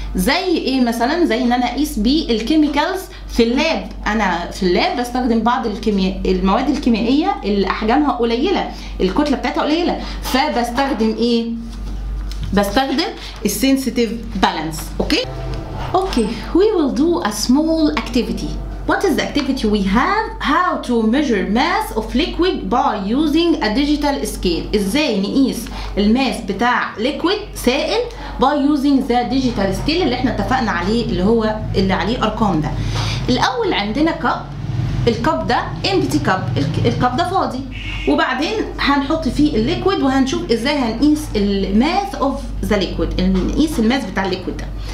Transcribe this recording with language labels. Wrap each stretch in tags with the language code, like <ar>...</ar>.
<ar>زي ايه مثلا؟ زي ان انا اقيس بالكيميكالز في اللاب. انا في اللاب بستخدم بعض المواد الكيميائيه اللي احجامها قليله، الكتله بتاعتها قليله، فبستخدم ايه؟ بستخدم السنسيتيف بالانس.</ar> <en>Okay okay, we will do a small activity. What is the activity we have? How to measure mass of liquid by using a digital scale.</en> <ar>ازاي نقيس الماس بتاع liquid سائل</ar> <en>by using the digital scale</en> <ar>اللي احنا اتفقنا عليه، اللي هو اللي عليه ارقام ده. الاول عندنا cup. الكب ده</ar> <en>empty cup،</en> <ar>الكب ده فاضي. وبعدين هنحط فيه الليكويد وهنشوف ازاي هنقيس الماس</ar> <en>of the liquid،</en> <ar>نقيس الماس بتاع الليكويد ده.</ar>